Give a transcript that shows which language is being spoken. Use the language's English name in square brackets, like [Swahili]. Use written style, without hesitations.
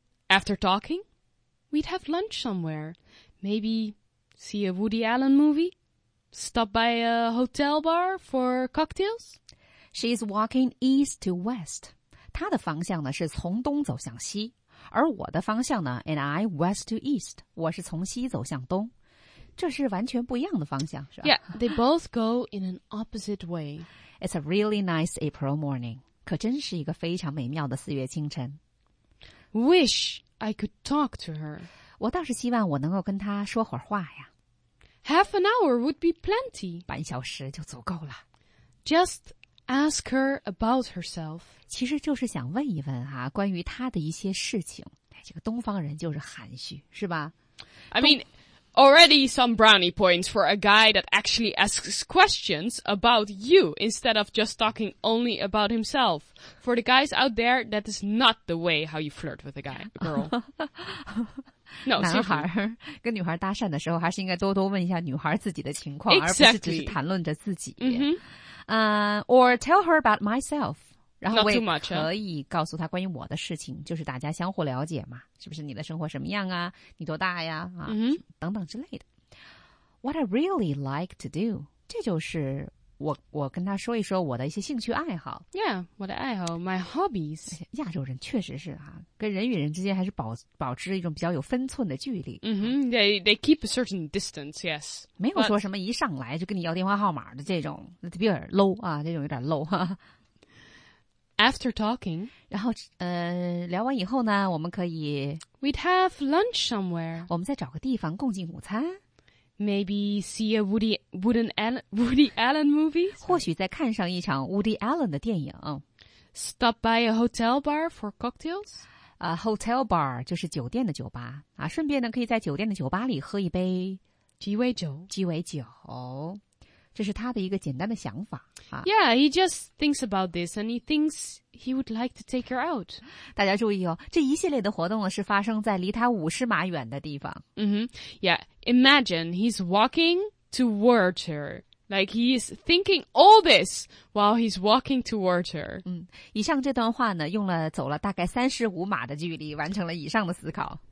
[English] After talking, we'd have lunch somewhere. Maybe see a Woody Allen movie. Stop by a hotel bar for cocktails. She's walking east to west. [Chinese] 她的方向呢是从东走向西。而我的方向呢 [English] and I west to east. [Chinese] 我是从西走向东。这是完全不一样的方向是吧 [English] Yeah, they both go in an opposite way. It's a really nice April morning. [Chinese] 可真是一个非常美妙的四月清晨。 [English] Wish I could talk to her. [Chinese] 我倒是希望我能够跟她说会儿话呀。 [English] Half an hour would be plenty. [Chinese] 半小时就足够了。 [English] Just ask her about herself. [Chinese] 其实就是想问一问啊关于她的一些事情。这个东方人就是含蓄是吧 [English] I mean... Already some brownie points for a guy that actually asks questions about you instead of just talking only about himself. For the guys out there, that is not the way how you flirt with a guy, a girl. No, [Chinese] 男孩跟女孩搭讪的时候还是应该多多问一下女孩自己的情况 [English] Exactly. [Chinese] 而不是只是谈论着自己。 [English] Or tell her about myself. [Chinese] 然后我也可以告诉他关于我的事情 [English] much,、 [Chinese] 啊、就是大家相互了解嘛是不是你的生活什么样啊你多大呀、啊 [English] mm-hmm. [Chinese] 等等之类的。 [English] What I really like to do, [Chinese] 这就是我跟他说一说我的一些兴趣爱好。 [English] Yeah, [Chinese] 我的爱好 [English] ,my hobbies. [Chinese] 亚洲人确实是啊跟人与人之间还是保持一种比较有分寸的距离。 [English] They keep a certain distance, yes. [Chinese] 没有说什么一上来就跟你要电话号码的这种那比较 low, 啊这种有点 low, 哈、啊。 [English] After talking, [Chinese] 然后聊完以后呢，我们可以 [English] we'd have lunch somewhere. [Chinese] 我们再找个地方共进午餐 [English] Maybe see a Woody Allen movie. [Chinese] 或许再看上一场 Woody Allen 的电影 [English] Stop by a hotel bar for cocktails. [Chinese] Hotel bar 就是酒店的酒吧啊。顺便呢，可以在酒店的酒吧里喝一杯鸡尾酒。鸡尾酒。这是他的一个简单的想法、啊、 [English] Yeah, he just thinks about this and he thinks he would like to take her out. [Chinese] 大家注意哦，这一系列的活动是发生在离他50码远的地方。 [English] Mm-hmm. Yeah, imagine he's walking towards her. Like he's thinking all this while he's walking towards her. [Chinese] 以上这段话呢，用了走了大概35码的距离，完成了以上的思考。